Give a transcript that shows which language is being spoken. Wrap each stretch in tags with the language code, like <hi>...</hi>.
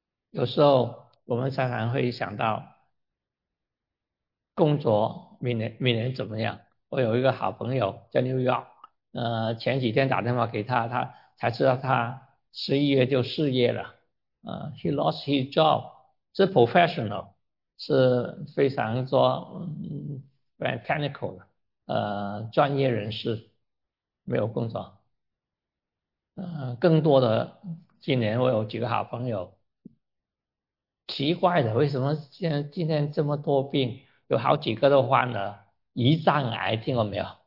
<zh>有时候我们常常会想到工作明年怎么样？我有一个好朋友在 New York，前几天打电话给他，他才知道他11月就失业了。</zh> <en>He lost his job，</en> <zh>是 professional，是非常说</zh> <en>very technical</en> <zh>的。专业人士没有工作，更多的今年我有几个好朋友，奇怪的，为什么今天这么多病？有好几个都患了胰脏癌，听过没有？</zh>